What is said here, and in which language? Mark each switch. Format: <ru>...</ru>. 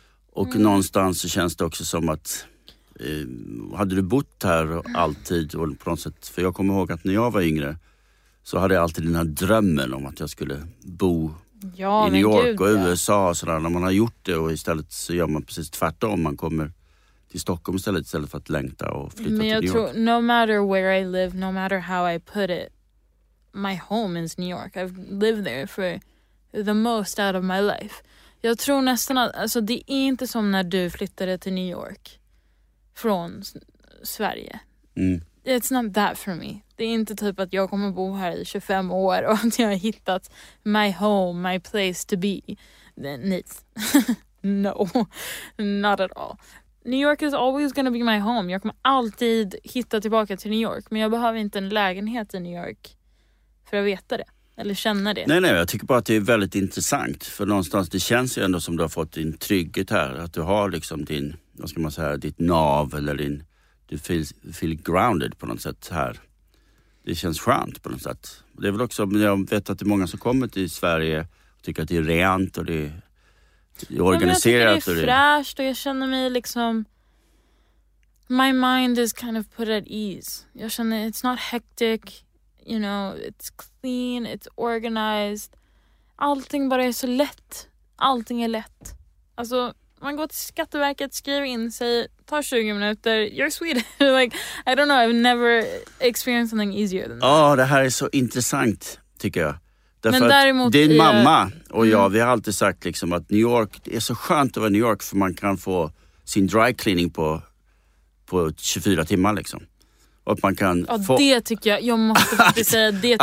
<sv>Och någonstans så känns det också som att hade du bott här alltid och på något sätt, för jag kommer ihåg att när jag var yngre så hade jag alltid den här drömmen om att jag skulle bo i New York, Gud, och USA och sådär. När man har gjort det och istället så gör man precis tvärtom, man kommer till Stockholm istället för att längta och flytta men till New York.</sv> <en>No matter where I live, no matter how I put it, my home is New York. I've lived there for the most out of my life.</en> <sv>Jag tror nästan att, alltså det är inte som när du flyttade till New York från Sverige. Mm.</sv> <en>It's not that for me.</en> <sv>Det är inte typ att jag kommer bo här i 25 år och att jag har hittat</sv> <en>my home, my place to be. No, not at all. New York is always gonna be my home.</en> <sv>Jag kommer alltid hitta tillbaka till New York, men jag behöver inte en lägenhet i New York för att veta det, eller känna det. Nej, jag tycker bara att det är väldigt intressant. För någonstans, det känns ju ändå som du har fått din trygghet här. Att du har liksom din, vad ska man säga, ditt nav eller din... Du</sv> <en>feel grounded</en> <sv>på något sätt här. Det känns skönt på något sätt. Det är väl också, jag vet att det är många som kommer till Sverige och tycker att det är rent och det är organiserat. Jag tycker det är fräscht och jag känner mig liksom,</sv> <en>my mind is kind of put at ease.</en> <sv>Jag känner,</sv> <en>it's not hectic, you know, it's clean, it's organized.</en> <sv>Allting bara är så lätt. Allting är lätt. Alltså, man går till Skatteverket, skriver in sig, tar 20 minuter.</sv> <en>You're Swedish. Like, I don't know, I've never experienced something easier than that.</en> <sv>Ja, oh, det här är så intressant, tycker jag. Därför men däremot, din mamma och jag, vi har alltid sagt liksom att New York, det är så skönt att vara i New York för man kan få sin dry cleaning på 24 timmar liksom. Och man kan ja, få... det tycker jag. Jag måste faktiskt säga, det tycker</sv>